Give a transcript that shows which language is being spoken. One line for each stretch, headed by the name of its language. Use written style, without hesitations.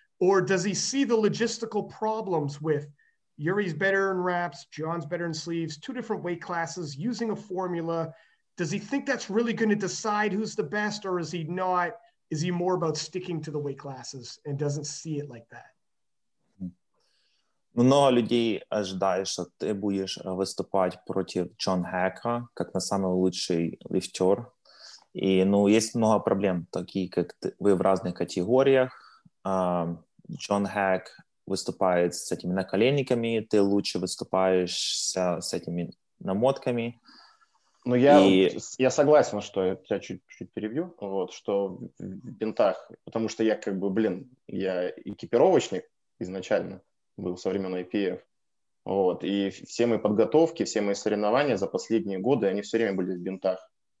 English: Or does he see the logistical problems with Yuri's better in wraps, John's better in sleeves, two different weight classes, using a formula? Does he think that's really going to decide who's the best, or is he not? Is he more about sticking to the weight classes and doesn't see it like that?
Ukrainian: Много людей ожидає, що ти будеш виступати проти Джон Хека, як на найкращий ліфтер. І ну, є багато проблем, такі, як ви в різних категоріях. Джон Хек виступає з цими наколінниками, ти краще виступаєш з цими намотками.
Russian: Ну, я согласен, что я тебя чуть-чуть перебью, вот, что в бинтах, потому что я как бы, блин, я экипировочник изначально был со времен IPF, вот, и все мои подготовки, все мои соревнования за последние годы, они все время были в бинтах.